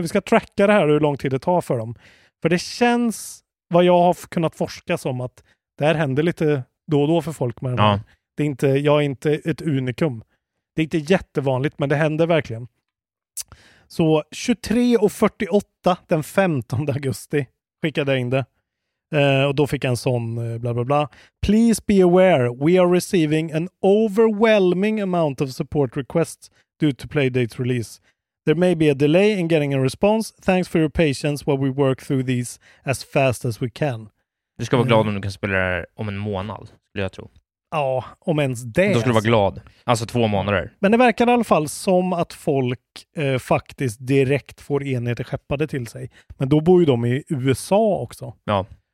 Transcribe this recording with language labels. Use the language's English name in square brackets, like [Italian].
[Swedish] Vi ska tracka det här, hur lång tid det tar för dem. För det känns, vad jag har kunnat forska som, att det här händer lite då och då för folk med den. Ja. Det är inte, jag är inte ett unikum. Det är inte jättevanligt, men det händer verkligen. Så 23:48 den 15 augusti skickade jag in det. Och då fick jag en sån bla bla bla. [English] Please be aware, we are receiving an overwhelming amount of support requests due to playdate release. There may be a delay in getting a response. Thanks for your patience while we work through these as fast as we can. [Swedish] Du ska vara glad om du kan spela det här om en månad, skulle jag tro. Ja, om ens det. Då skulle du vara glad. Alltså 2 månader. Men det verkar i alla fall som att folk faktiskt direkt får enheter skeppade till sig. Men då bor ju de i USA också. Ja.